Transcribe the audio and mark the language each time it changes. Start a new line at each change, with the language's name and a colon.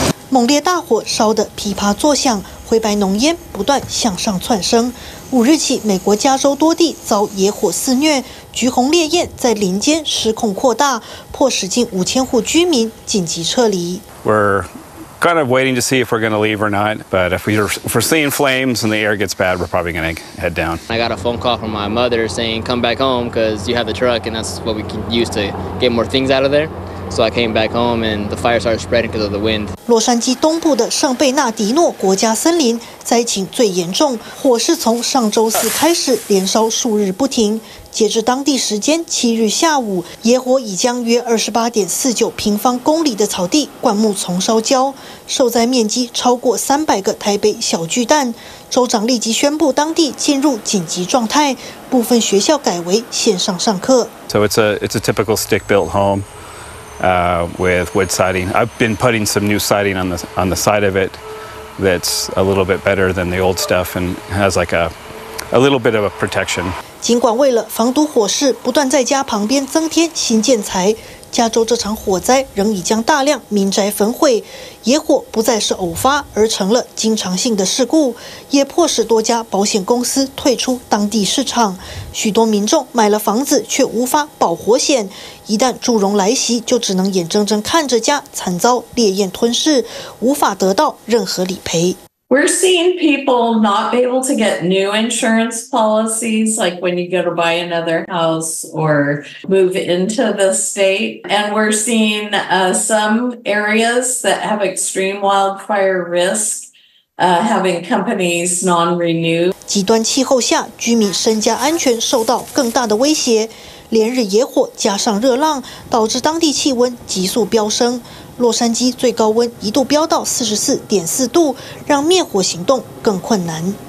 Chinese: 猛烈大火烧得噼啪作响，灰白浓烟不断向上窜升。五日起，美国加州多地遭野火肆虐，橘红烈焰在林间失控扩大，迫使近5000户居民紧急撤离。
English: We're kind of waiting to see if we're going to leave or not, but if we're seeing flames and the air gets bad, we're probably going to head down. I got a phone call from my mother saying, "Come back home because you have the truck and that's what we can use to get more things out of there." So I came back home, and the fire started spreading because of the wind.
Chinese: 洛杉矶东部的圣贝纳迪诺国家森林灾情最严重，火势从上周四开始连烧数日不停。截至当地时间7日下午，野火已将约28.49平方公里的草地灌木丛烧焦，受灾面积超过300个台北小巨蛋。州长立即宣布当地进入紧急状态，部分学校改为线上上课。
English: So it's a typical stick-built home. With wood siding. I've been putting some new siding on the side of it that's a little bit better than the old stuff and has like a little bit of a protection.
Chinese: 尽管为了防堵火势不断在家旁边增添新建材，加州这场火灾仍已将大量民宅焚毁，野火不再是偶发，而成了经常性的事故，也迫使多家保险公司退出当地市场。许多民众买了房子却无法保火险，一旦祝融来袭，就只能眼睁睁看着家惨遭烈焰吞噬，无法得到任何理赔。
English: We're seeing people not be able to get new insurance policies, like when you go to buy another house or move into the state. And we're seeing some areas that have extreme wildfire risk. Having companies non-renew.
Chinese: 极端气候下，居民身家安全受到更大的威胁。连日野火加上热浪，导致当地气温急速飙升。洛杉矶最高温一度飙到44.4度，让灭火行动更困难。